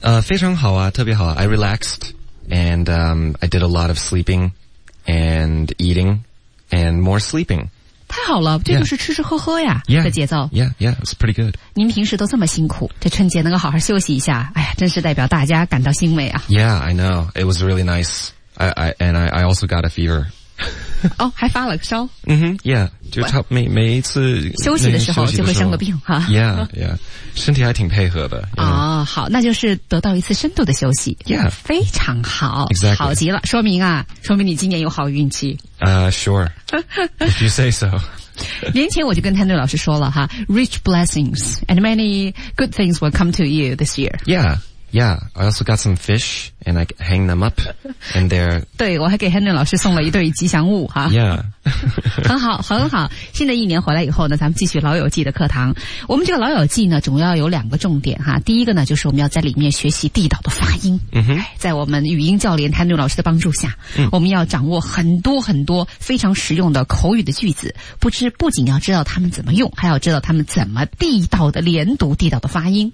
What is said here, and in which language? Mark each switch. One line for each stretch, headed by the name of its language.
Chinese: 非常好啊，特别好啊。
English: I relaxed and I did a lot of sleeping and eating and more sleeping。
Chinese: 太好了，这就是吃吃喝喝呀、
English: yeah.
Chinese: 的节奏。
English: Yeah, it's pretty good.
Chinese: 您平时都这么辛苦，这春节能够好好休息一下，哎呀，真是代表大家感到欣慰啊。
English: Yeah, I know. It was really nice. I also got a fever.
Chinese: 哦、oh, 还发了个烧。嗯哼 ,yeah, 就差每一次休息的时候就会生个病哈。 Yeah, 身体还挺配合的。哦、好，那就是得到一次深度的休息。
English: Yeah.
Chinese: 非常好。
English: Exactly.
Chinese: 好极了，说明你今年有好运气。
English: Sure. If you say so.
Chinese: 年前我就跟 Henry 老师说了哈，
English: rich blessings and many good things will come to you this year. Yeah, I also got some fish and I hang them up and they're...
Chinese: 对，我还给 Henry 老师送了一对吉祥物哈。
English: Yeah.
Chinese: 很好很好，新的一年回来以后呢，咱们继续老友记的课堂。我们这个老友记呢主要有两个重点哈。第一个呢就是我们要在里面学习地道的发音。嗯哼。在我们语音教练 Henry 老师的帮助下、嗯、我们要掌握很多很多非常实用的口语的句子，不仅要知道他们怎么用，还要知道他们怎么地道的连读地道的发音。